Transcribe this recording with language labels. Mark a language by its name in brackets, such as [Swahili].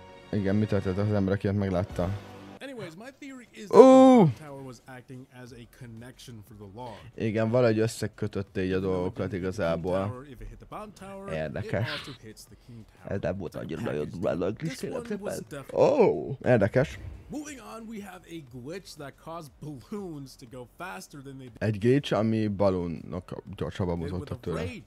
[Hungarian] Igen, mi történt, az ember aki ott meglátta. [English] Anyways, my theory is that the bomb tower was acting as a connection for the log. [Hungarian] Igen, valahogy összekötötte így a dolgokat igazából. Érdekes. Ez nem volt annyira nagyon durva kis életében. Érdekes. [English] Moving on, we have a glitch that caused balloons to go faster than they did. [Hungarian] Egy glitch, ami balónok gyorsabban mozottak tőle.